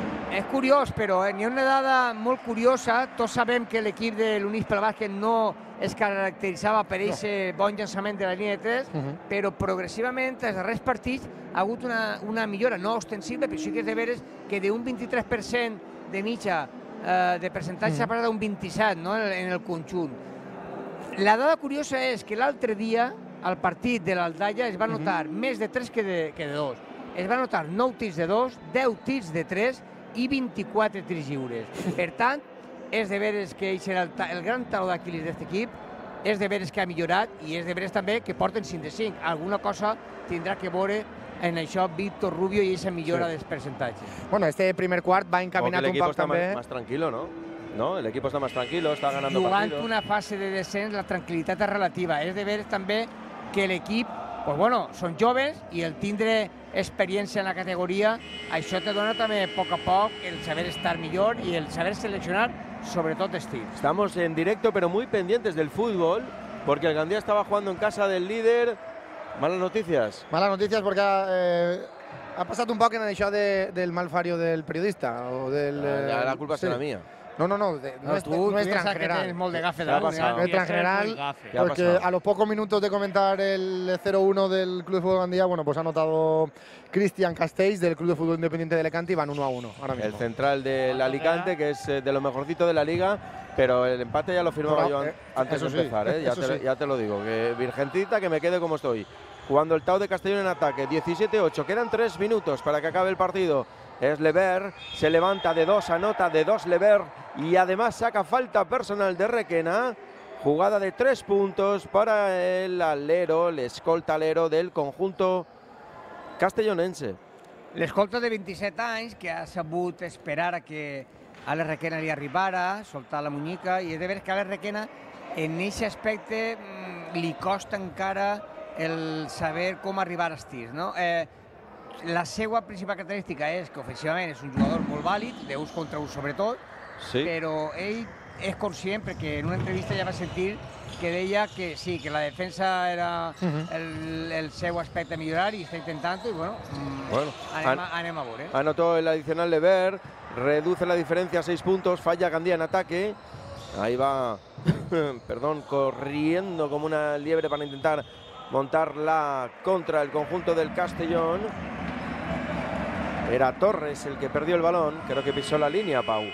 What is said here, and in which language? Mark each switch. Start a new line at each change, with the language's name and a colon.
Spanish: Es curioso, pero en una edad muy curiosa, todos saben que el equipo de l'Unix pel Bàsquet no es caracterizaba por ese buen llançament de la línea de 3, pero progresivamente, desde los partidos, ha habido una mejora, no ostensible, pero sí que es de ver que de un 23%
Catalan: de mitja, de percentatge
Spanish: ha parado un 27%, no,
Catalan: en el conjunt.
Spanish: La dada curiosa es que el otro día, al partido de l'Aldaia,
Catalan: es va notar
Spanish: más de 3 que de 2.
Catalan: Es va notar 9 tirs de 2, 10 tirs de 3, i 24 tirs lliures. Per tant, és de veres que ell serà el gran taló d'Aquilis d'aquest equip, és de veres que ha millorat i és de veres també que porten 5 de 5. Alguna cosa tindrà que veure en això Víctor Rubio i aquesta millora dels percentatges. Bueno, este primer quart va encaminat un poc també. L'equip està més tranquil·lo, no? No, el equip està més tranquil·lo, està ganant partits. Jugant una fase de descens, la tranquil·litat és relativa. És de veres també que l'equip, doncs bueno, són joves i el tindre experiència en la categoria, això te dona també a poc el saber estar millor i el saber seleccionar sobretot estils.
Spanish: Estamos en directo pero muy pendientes del fútbol porque el Gandía estaba jugando en casa del líder. Malas noticias. Malas noticias porque
Catalan: ha passat un poc en això
Spanish: del malfario del periodista. O del, la culpa sí. Será mía. No, nuestra en general. Que tienes
Catalan: molt de gafe.
Spanish: Nuestra en general, porque a los pocos minutos de comentar el 0-1 del Club de Fútbol Gandía, bueno, pues ha anotado Cristian Castells del Club de Fútbol Independiente de Alicante y van 1-1 ahora mismo. El central del Alicante, que es de lo mejorcito de la liga, pero el empate ya lo firmaba yo antes de empezar, ya te lo digo. Que virgentita, que me quede como estoy. Jugando el Tau de Castellón en ataque, 17-8, quedan 3 minutos para que acabe el partido. Es Lever, se levanta de 2, anota de 2 Lever y además saca falta personal de Requena. Jugada de 3 puntos para el alero, el escolta alero del conjunto castellonense.
Catalan: L'escolta de 27 anys que ha sabut esperar a que Ale Requena li arribara, soltar
Spanish: la muñeca,
Catalan: i és de veres que Ale Requena en aquest aspecte li costa encara el saber com arribar als tirs, no? La seva principal característica és que ofensivament és un jugador molt vàlid, de 1 contra 1 sobretot, sí. Però ell és conscient, perquè en una entrevista ja va sentir que deia que sí, que la defensa era el seu aspecte a millorar i està intentant, i bueno anem a veure.
Spanish: Anotó el adicional de Ver, reduce la diferencia a 6 puntos, falla Gandía en ataque, ahí va, perdón, corriendo como una liebre para intentar montar la contra el conjunto del Castellón. Era Torres el que perdió el balón. Creo que pisó la línea, Pau.